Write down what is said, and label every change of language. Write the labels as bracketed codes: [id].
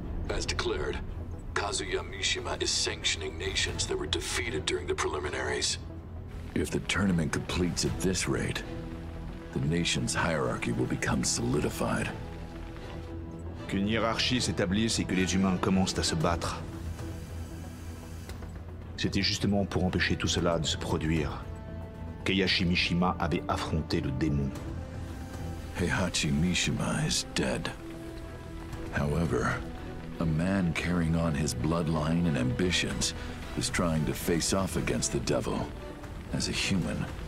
[en] As declared, Kazuya Mishima is sanctioning nations that were defeated during the preliminaries. If the tournament completes at this rate,The nation's hierarchy will become solidified. [fr] Qu'une hiérarchie s'établisse et que les humains commencent à se battre. C'était justement pour empêcher tout cela de se produire qu'Heihachi Mishima avait affronté le démon. [en] Heihachi Mishima is dead. However, a man carrying on his bloodline and ambitions is trying to face off against the devil as a human.